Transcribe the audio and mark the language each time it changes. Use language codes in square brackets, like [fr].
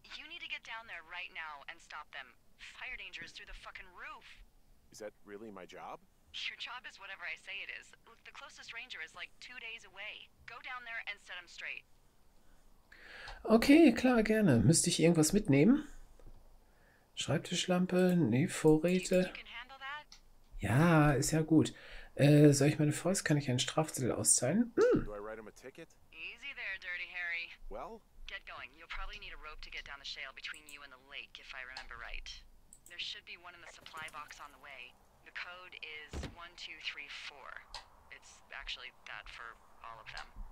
[en] You need to get down there right now and stop them. Fire danger is through the fucking roof. Is that really my job? Your job is whatever I say it is. Look, the closest ranger is like 2 days away. Go down there and set him straight. [de] Okay, klar, gerne. Müsste ich irgendwas mitnehmen? Schreibtischlampe? Nee, Vorräte. Ja, ist ja gut. Soll ich meine Fäuste? Kann ich einen Strafzettel auszahlen? [en] Do I write him a ticket? Easy there, Dirty Harry. Well? Get going. You'll probably need a rope to get down the shale between you and the lake, if I remember right. There should be one in the supply box on the way. The code is 1234. It's actually that for all of them.